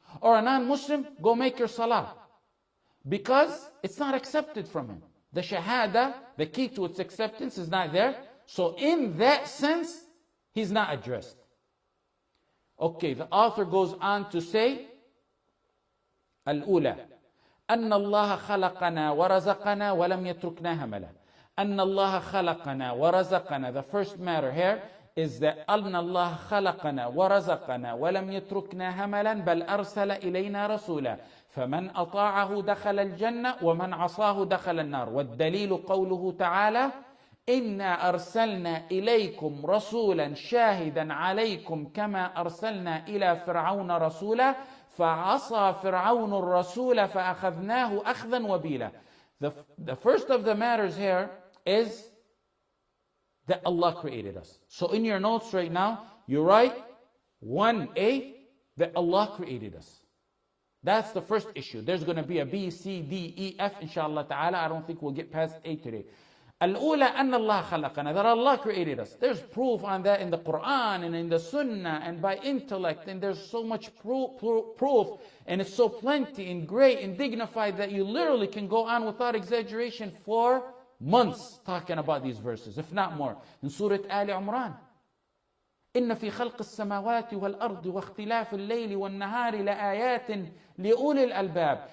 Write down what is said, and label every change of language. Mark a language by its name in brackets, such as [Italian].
[English] Or a non-Muslim, go make your salah. Because it's not accepted from him. The shahada, the key to its acceptance, is not there. So in that sense, he's not addressed. Okay, the author goes on to say, Al-Ula. [Arabic] أن الله خلقنا ورزقنا ولم يتركنا هملا. أن الله خلقنا ورزقنا. [English] The first matter here is that [Arabic] أن الله خلقنا ورزقنا ولم يتركنا هملا بل أرسل إلينا رسولا. فمن أطاعه دخل الجنة ومن عصاه دخل النار. والدليل قوله تعالى إنا أرسلنا إليكم رسولا شاهدا عليكم كما أرسلنا إلى فرعون رسولا فعصى فرعون الرسول فأخذناه أخذا وبيلا. [English] The first of the matters here is that Allah created us. So in your notes right now, you write 1A, that Allah created us. That's the first issue. There's going to be a B, C, D, E, F, inshallah ta'ala. I don't think we'll get past A today. [Arabic] الأولى أن الله خلقنا, [English] that Allah created us. There's proof on that in the Quran and in the Sunnah and by intellect, and there's so much proof and it's so plenty and great and dignified that you literally can go on without exaggeration for months talking about these verses, if not more. In Surah Ali Imran, [Arabic] إِنَّ فِي خَلْقِ السَّمَاوَاتِ وَالْأَرْضِ وَاخْتِلَافِ اللَّيْلِ وَالنَّهَارِ لَآيَاتٍ لِأُولِي الْأَلْبَابِ.